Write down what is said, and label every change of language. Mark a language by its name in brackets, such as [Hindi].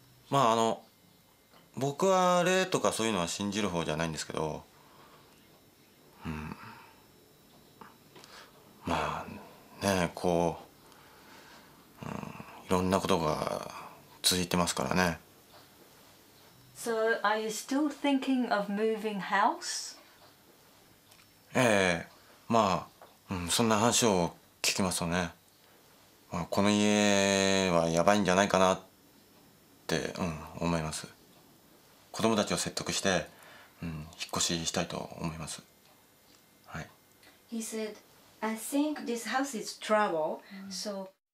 [Japanese] まあ僕は霊とかそういうのは信じる方じゃないんですけど、まあねえこう、いろんなことが続いてますからね。 [English] So are you still thinking of moving house? [Japanese] ええ、まあ、そんな話を聞きますとね、まあ、この家はやばいんじゃないかなって、思います。子供たちを説得して、引っ越ししたいと思います。はい。 [English] He said, I think this house is trouble, so...